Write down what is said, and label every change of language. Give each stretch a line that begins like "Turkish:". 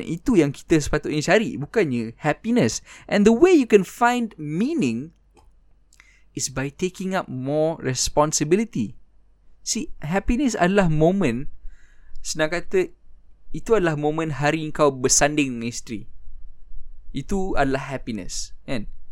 Malay: Itu yang kita sepatutnya cari, bukannya happiness.
English: And the way you can find meaning is by taking up more responsibility.
Malay: See, happiness adalah moment, senang kata, itu adalah moment hari kau bersanding dengan isteri. Itu adalah happiness, kan?